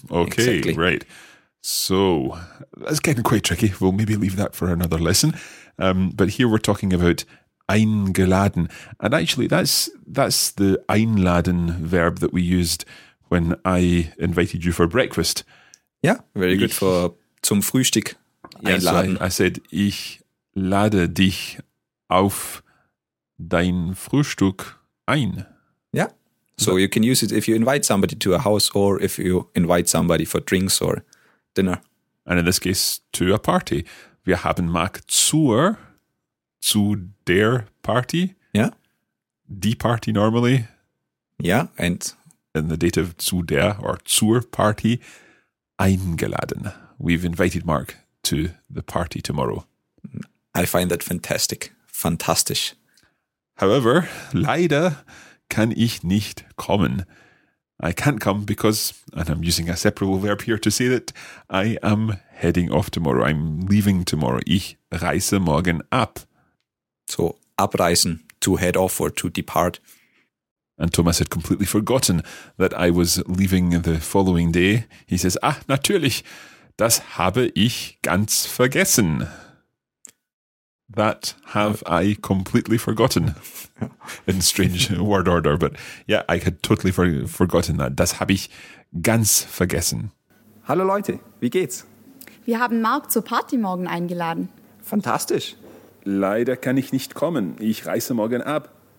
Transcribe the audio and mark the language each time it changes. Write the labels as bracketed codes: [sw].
[en] Okay, exactly. Right. So that's getting quite tricky. We'll maybe leave that for another lesson. But here we're talking about eingeladen. And actually that's the einladen verb that we used when I invited you for breakfast. Yeah, very good for [de] zum Frühstück einladen. [en] Yeah, so I said, [de] ich lade dich auf dein Frühstück ein. [en] Yeah, so you can use it if you invite somebody to a house or if you invite somebody for drinks or dinner. And in this case, to a party. [de] Wir haben Mark zu der Party. [en] Yeah. [de] Die Party [en] normally. Yeah, and in the dative [de] zu der or zur Party. Eingeladen. [en] We've invited Mark to the party tomorrow. I find that fantastic. Fantastisch. However, [de] leider kann ich nicht kommen. [en] I can't come because, and I'm using a separable verb here to say that, I am heading off tomorrow. I'm leaving tomorrow. [de] Ich reise morgen ab. [en] So, abreisen, to head off or to depart. And Thomas had completely forgotten that I was leaving the following day. He says, [de] ah, natürlich, das habe ich ganz vergessen. [en] That have I completely forgotten. In strange word order, but yeah, I had totally forgotten that. [de] Das habe ich ganz vergessen. Hallo Leute, wie geht's? Wir haben Mark zur Party morgen eingeladen. Fantastisch. Leider kann ich nicht kommen. Ich reise morgen ab.